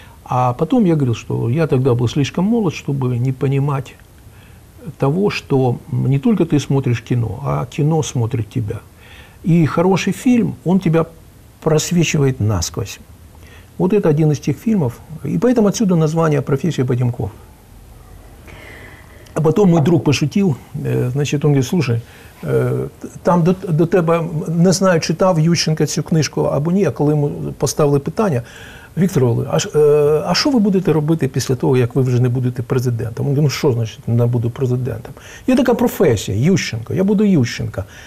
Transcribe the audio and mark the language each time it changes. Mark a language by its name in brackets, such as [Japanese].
[Ukrainian] А потім я говорив, що я тоді був [Russian] слишком молод, [Ukrainian] щоб не розуміти того, [Russian] что не только ты смотришь кино, а кино смотрит тебя. И хороший фильм, он тебя просвечивает насквозь. Вот это один из тех фильмов. И поэтому отсюда название «Профессия Потемков». А потом мой друг пошутил, значит, он говорит, слушай, там до тебя, не знаю, [Ukrainian] читав Ющенко цю книжку або ні, а коли ему поставили питання, Віктор Олегович, а що ви будете робити після того, як ви вже не будете президентом? Він говорить, ну що значить не буду президентом? Є така професія, Ющенко, я буду Ющенко.